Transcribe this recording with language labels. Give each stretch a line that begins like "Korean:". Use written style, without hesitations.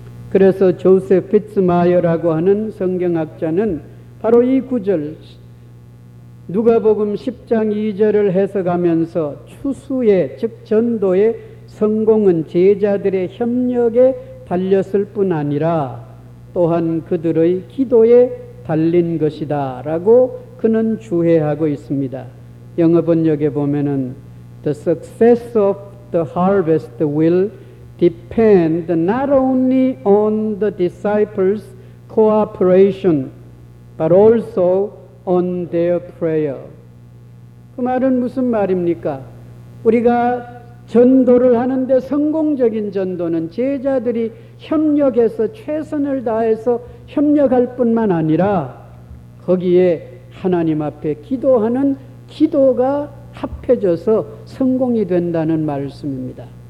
Korean: 그래서 조셉 피츠마이어라고 하는 성경학자는 바로 이 구절 누가복음 10장 2절을 해석하면서 추수의 즉 전도의 성공은 제자들의 협력에 달렸을 뿐 아니라 또한 그들의 기도에 달린 것이다 라고 그는 주해하고 있습니다.
English: 영어 번역에 보면은 The success of the harvest will depend not only on the disciples' cooperation but also on their prayer.
Korean: 그 말은 무슨 말입니까? 우리가 전도를 하는데 성공적인 전도는 제자들이 협력해서 최선을 다해서 협력할 뿐만 아니라 거기에 하나님 앞에 기도하는 기도가 합해져서 성공이 된다는 말씀입니다.